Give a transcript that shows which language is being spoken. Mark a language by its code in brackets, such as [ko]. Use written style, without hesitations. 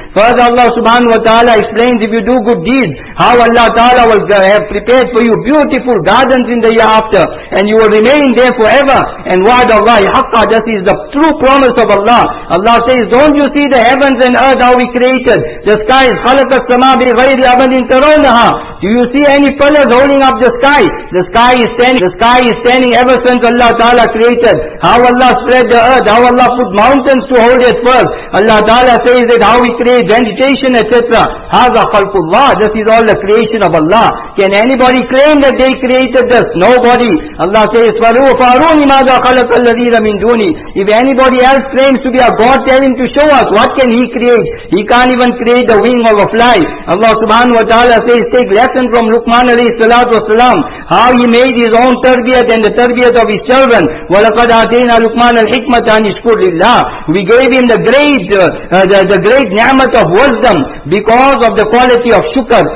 [en] Further, Allah subhanahu wa ta'ala explains, if you do good deeds, how Allah Ta'ala will have prepared for you beautiful gardens in the year after. And you will remain there forever. And [ar] wa'ad Allah haqqa, [en] this is the true promise of Allah. Allah says, don't you see the heavens and earth, how we created? The sky is [ar] خَلَقَ السَّمَاءَ بِغَيْرِ أَبَدٍ تَرَوْنَهَا. [en] Do you see any pillars holding up the sky? The sky is standing ever since Allah Ta'ala created. How Allah spread the earth, how Allah put mountains to hold it first. Allah Ta'ala says that how we create vegetation, etc. [ar] هَذَا خَلْقُ اللَّهِ, [en] this is all the creation of Allah. Can anybody claim that they created this? Nobody. Allah says, [ar] فَأَرُونِ مَاذَا خَلَقَ الَّذِينَ مِنْ دُونِي. [en] If anybody else claims to be a God, tell him to show us, what can he create? He can't even create the wing of a fly. Allah subhanahu wa ta'ala says, take lesson from Luqman alayhi salatu wasalam, how he made his own tarbiyat and the tarbiyat of his children. [ar] وَلَقَدْ عَتَيْنَا لُقْمَانَ الْحِكْمَةَ عَنِ اشْكُرْ لِلَّهِ. [en] We gave him the great ni'mat of wisdom because of the quality of shukr.